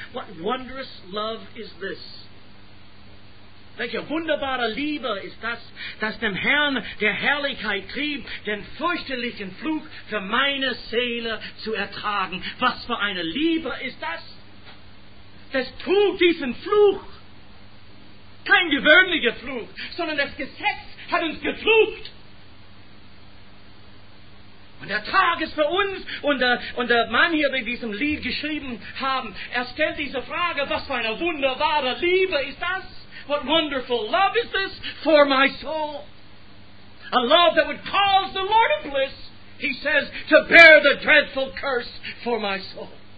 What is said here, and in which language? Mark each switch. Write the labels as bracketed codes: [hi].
[en] What wondrous love is this? [de] Welche wunderbare Liebe ist das, das dem Herrn der Herrlichkeit trieb, den fürchterlichen Fluch für meine Seele zu ertragen? Was für eine Liebe ist das? Das trug diesen Fluch. Kein gewöhnlicher Fluch, sondern das Gesetz hat uns geflucht. Und der Tag ist für uns, und der Mann hier, der diesem Lied geschrieben haben, er stellt diese Frage, was für eine wunderbare Liebe ist das? [en] What wonderful love is this for my soul? A love that would cause the Lord of bliss, he says, to bear the dreadful curse for my soul.